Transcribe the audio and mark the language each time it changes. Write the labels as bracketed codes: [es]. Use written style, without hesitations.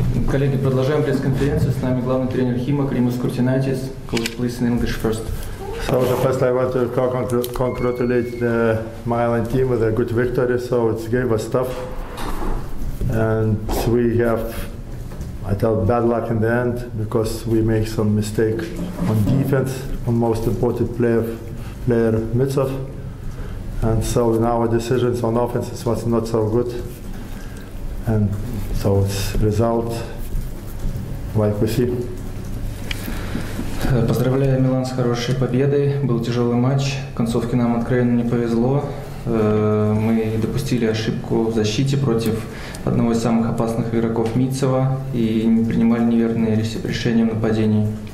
[ru] Коллеги, продолжаем пресс-конференцию. С нами главный тренер Химок Римус Куртинайтис. [en] Coach, please in English first. So the first I want to congratulate the Milan team with a good victory. So it gave us tough, and we have, I tell, bad luck in the end because we make some mistake on defense on most important player Mitsov, and so now our decisions on offense was not so good, and so it's result. Like we see. [ru] Поздравляю Милан с хорошей победой. Был тяжелый матч. В концовке нам откровенно не повезло. Мы допустили ошибку в защите против одного из самых опасных игроков Митцева и не принимали неверные решения в нападении.